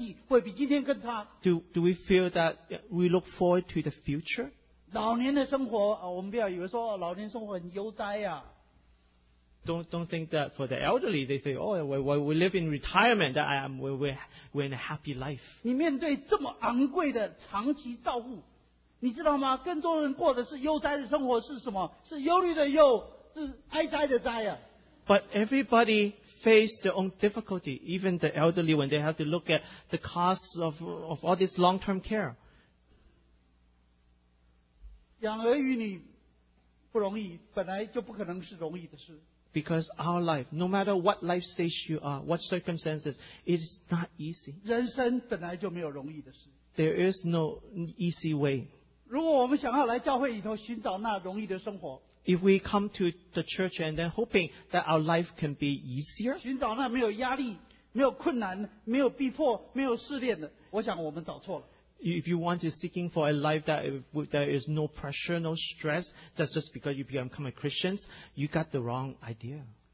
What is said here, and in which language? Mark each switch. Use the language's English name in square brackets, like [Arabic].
[English] Do we feel that we look forward to the future? [Chinese] 老年的生活, 我们不要以为说, [English] don't think that for the elderly, they say, oh, we live in retirement, that I am, we're in a happy life. [Chinese] 你面对这么昂贵的长期照顾, 你知道吗? 更多人过的是悠哉的生活, 是什么?是忧虑的忧, 是哀哉的哉啊。 [English] But everybody face their own difficulty, even the elderly when they have to look at the costs of all this long-term care. [Chinese] 养儿与女不容易, 本来就不可能是容易的事。 [English] Because our life, no matter what life stage you are, what circumstances, it is not easy. [Chinese] 人生本来就没有容易的事。 [English] There is no easy way. [Chinese] 如果我们想要来教会里头寻找那容易的生活, [English] if we come to the church and then hoping that our life can be easier, [Chinese] 寻找那没有压力, 没有困难, 没有逼迫, 没有试炼的, 我想我们找错了。 [English] If you want to seeking for a life that there is no pressure, no stress, that's just because you become a Christian, you got the wrong idea.